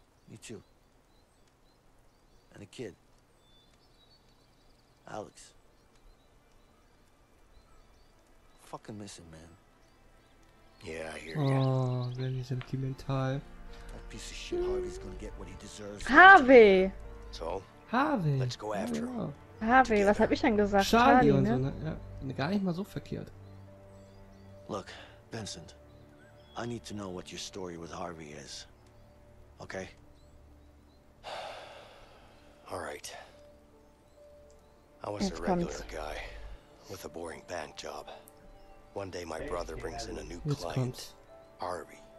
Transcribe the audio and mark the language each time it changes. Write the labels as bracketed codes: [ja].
[en] Me too. And a kid. Alex. Fucking miss him, man. Yeah, I hear you. Oh, really sentimental. That piece of shit Harvey's gonna get what he deserves. Harvey! So? Harvey! Let's go after him. [de] Harvey, was hab ich denn gesagt? Charlie und so, ne? Ja, gar nicht mal so verkehrt. [en] Look, Vincent. I need to know what your story with Harvey is. Okay? Alright. I was a regular guy with a boring bank job. One day my brother brings in a new client, Harvey.